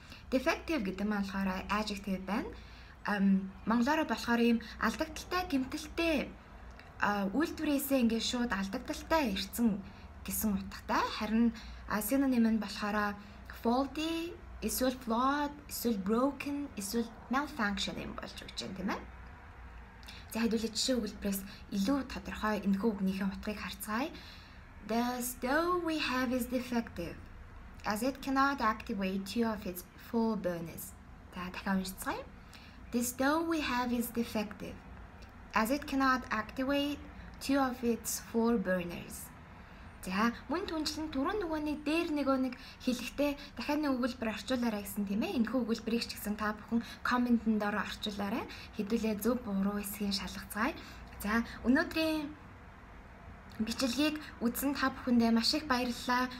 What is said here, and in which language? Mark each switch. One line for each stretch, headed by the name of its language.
Mongolian: Defective гэдэг нь болохоор adjective байна. Монголоор болохоор ийм алдагдaltaй, гимтэлтэй, үйлдвэрээсээ ингээд шууд алдагдaltaй ирсэн гэсэн утгатай. Харин synonym нь болохоор faulty, эсвэл flawed, эсвэл broken, эсвэл malfunctioning болж өгч дээ, тийм ээ. За хэдүүлээ жишээ үгэлбрээс илүү тодорхой энэхүү үгнийхээ утгыг харцгаая.
English: The stove we have is defective, as it cannot activate two of its full burners.
Mongolian: За дахиад уншицгаая.
English: The stove we have is defective, as it cannot activate two of its full burners.
Mongolian: За мөн түнчлэн түрүүн нөгөөний дээр нэг хэлэхдээ дахиад нэг өгүүлбэр орчуулаарай гэсэн тийм ээ. Энэхүү өгүүлбэрийг ч гэсэн та бүхэн комментэн дор орчуулаарай. Хэдүүлээ зөв буруу эсгийг шалгацгаая. За өнөөдрийн бичлэгийг үзсэн та бүхэндээ маш их баярлалаа.